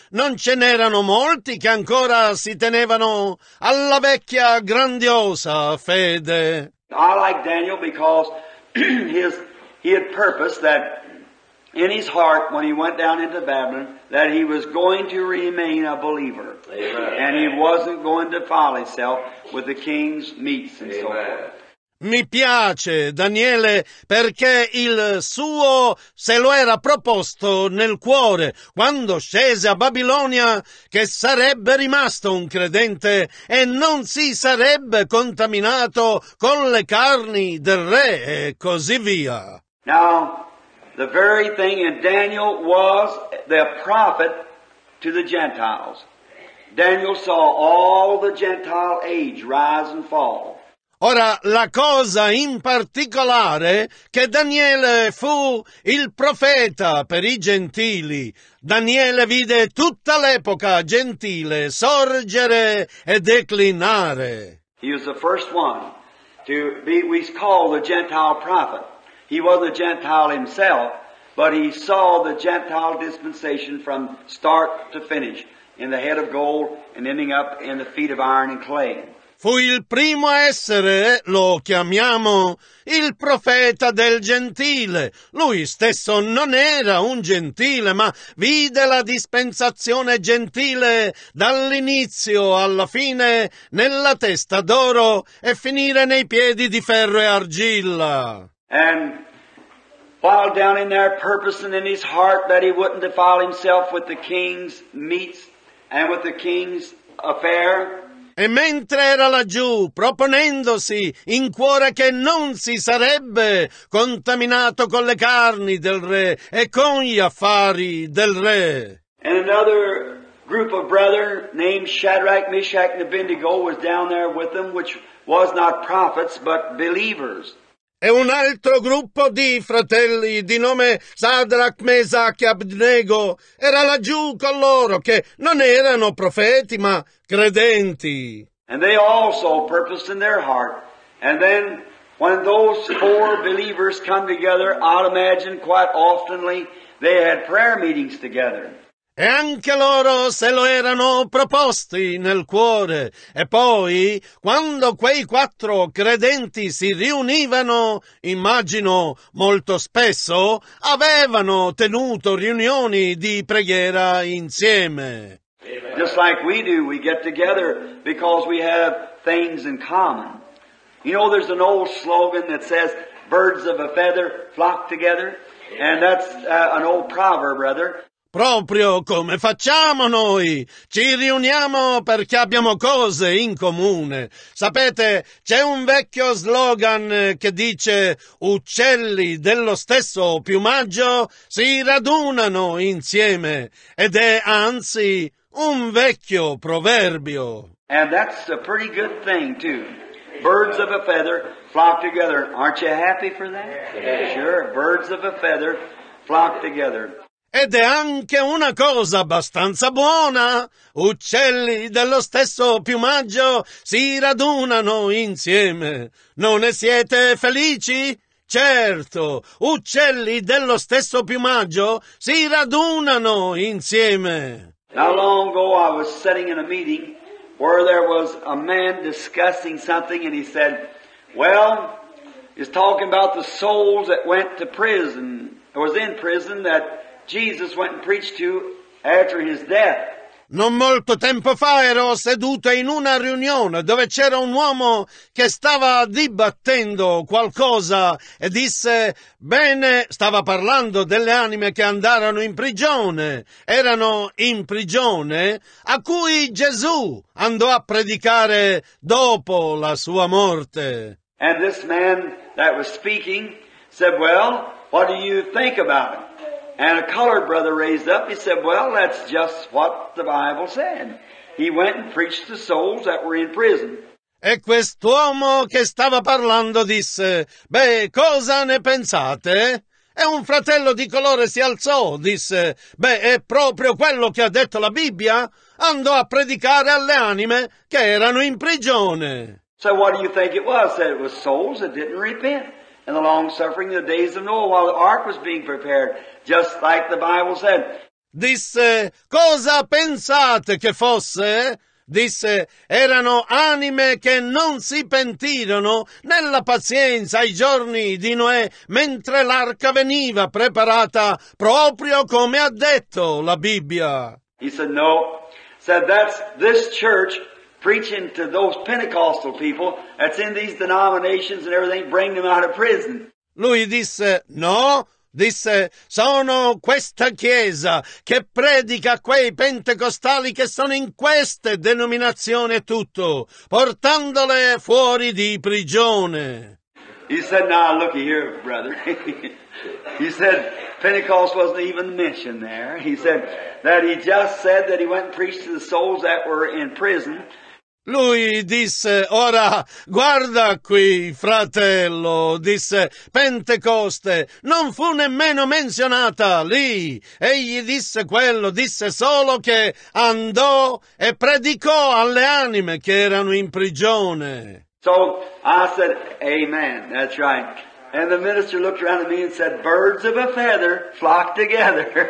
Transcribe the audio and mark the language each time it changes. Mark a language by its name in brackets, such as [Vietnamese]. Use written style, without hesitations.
[Italian] Non ce n'erano molti che ancora si tenevano alla vecchia grandiosa fede. [English] I like Daniel because he had purposed that in his heart when he went down into Babylon that he was going to remain a believer. Amen. And he wasn't going to defile himself with the king's meats and Amen. So forth. [Italian] Mi piace, Daniele, perché il suo se lo era proposto nel cuore, quando scese a Babilonia, che sarebbe rimasto un credente e non si sarebbe contaminato con le carni del re e così via. [English] Now, the very thing in Daniel was the prophet to the Gentiles. Daniel saw all the Gentile age rise and fall. [Italian] Ora, la cosa in particolare che Daniele fu il profeta per i gentili. Daniele vide tutta l'epoca gentile sorgere e declinare. [English] He was the first one to be, we call the Gentile prophet. He was a Gentile himself, but he saw the Gentile dispensation from start to finish, in the head of gold and ending up in the feet of iron and clay. [Italian] Fu il primo essere, lo chiamiamo, il profeta del gentile. Lui stesso non era un gentile, ma vide la dispensazione gentile dall'inizio alla fine nella testa d'oro e finire nei piedi di ferro e argilla. [English] And while down in there purposing in his heart that he wouldn't defile himself with the king's meats and with the king's affair. [Italian] E mentre era laggiù, proponendosi in cuore che non si sarebbe contaminato con le carni del re e con gli affari del re. [English] And another group of brethren named Shadrach, Meshach, and Abednego was down there with them, which was not prophets, but believers. [Italian] E un altro gruppo di fratelli di nome Shadrach, Meshach e Abednego era laggiù con loro, che non erano profeti ma credenti. [English] And they also purposed in their heart. And then when those four believers come together, I'd imagine quite oftenly they had prayer meetings together. [Italian] E anche loro se lo erano proposti nel cuore. E poi, quando quei quattro credenti si riunivano, immagino molto spesso, avevano tenuto riunioni di preghiera insieme. [English] Just like we do, we get together because we have things in common. You know, there's an old slogan that says, birds of a feather flock together. And that's an old proverb, rather. [Italian] Proprio come facciamo noi, ci riuniamo perché abbiamo cose in comune. Sapete, c'è un vecchio slogan che dice, uccelli dello stesso piumaggio si radunano insieme, ed è anzi un vecchio proverbio. [English] And that's a pretty good thing too. Birds of a feather flock together. Aren't you happy for that? Yeah. Sure, birds of a feather flock together. [Italian] Ed è anche una cosa abbastanza buona. Uccelli dello stesso piumaggio si radunano insieme. Non ne siete felici? Certo, uccelli dello stesso piumaggio si radunano insieme. [English] Not long ago I was sitting in a meeting where there was a man discussing something and he said, well, he's talking about the souls that went to prison, or was in prison, that Jesus went and preached to after his death. [Italian] Non molto tempo fa ero seduto in una riunione dove c'era un uomo che stava dibattendo qualcosa e disse, bene, stava parlando delle anime che andarono in prigione, erano in prigione, a cui Gesù andò a predicare dopo la sua morte. [English] And this man that was speaking said, well, what do you think about it? And a colored brother raised up, he said, well, that's just what the Bible said. He went and preached to souls that were in prison. [Italian] E quest'uomo che stava parlando disse, beh, cosa ne pensate? E un fratello di colore si alzò, disse, beh, è proprio quello che ha detto la Bibbia. Andò a predicare alle anime che erano in prigione. [English] So what do you think it was? That it was souls that didn't repent. And the long suffering of the days of Noah while the ark was being prepared, just like the Bible said. [Italian] Disse, cosa pensate che fosse? Disse, erano anime che non si pentirono nella pazienza ai giorni di Noè, mentre l'arca veniva preparata proprio come ha detto la Bibbia. [English] He said, no. Said, that's this church preaching to those Pentecostal people that's in these denominations and everything, bring them out of prison. [Italian] Lui disse, no, disse, sono questa chiesa che predica quei pentecostali che sono in queste denominazioni e tutto, portandole fuori di prigione. [English] He said, now nah, looky here, brother. He said, Pentecost wasn't even mentioned there. He said that he just said that he went and preached to the souls that were in prison. [Italian] Lui disse, ora guarda qui, fratello, disse, Pentecoste non fu nemmeno menzionata lì. Egli disse quello, disse solo che andò e predicò alle anime che erano in prigione. [English] So I said, amen, that's right. And the minister looked around at me and said, birds of a feather flock together.